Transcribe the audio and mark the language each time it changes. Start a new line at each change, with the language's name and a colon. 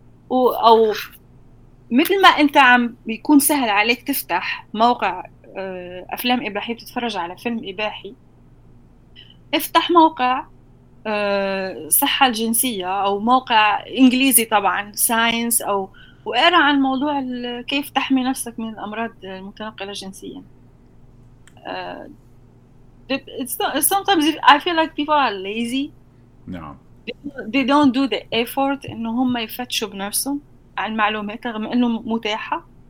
Arabic: او مثل ما انت عم بيكون سهل عليك تفتح موقع افلام اباحيه بتتفرج على فيلم اباحي، افتح موقع صحة الجنسية أو موقع إنجليزي طبعا ساينس، أو وقرأ عن موضوع كيف تحمي نفسك من الأمراض المتنقلة جنسيا.
English: Sometimes I feel like people are lazy.
Arabic: نعم.
English: They don't do the effort
Arabic: إنه هم يفتشوا بنفسهم عن معلومات رغم إنه متاحة.